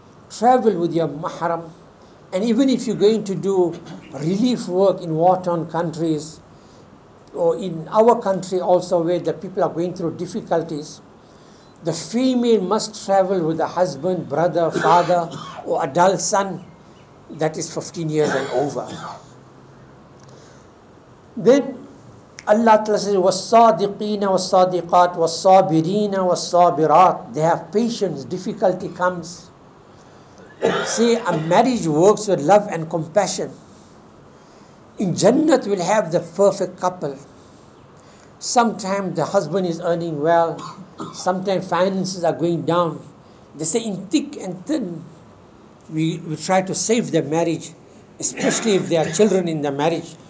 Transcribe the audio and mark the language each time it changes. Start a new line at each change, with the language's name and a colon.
English: Travel with your mahram. And even if you're going to do relief work in war-torn countries or in our country also where the people are going through difficulties, the female must travel with a husband, brother, father, or adult son that is 15 years and over.
Arabic: Then Allah says, وَالصَّادِقِينَ وَالصَّادِقَاتِ وَالصَّابِرِينَ وَالصَّابِرَاتِ.
English: They have patience, difficulty comes. See, a marriage works with love and compassion. In Jannat, we'll have the perfect couple. Sometimes the husband is earning well. Sometimes finances are going down. They say in thick and thin, we try to save the marriage, especially if there are children in the marriage.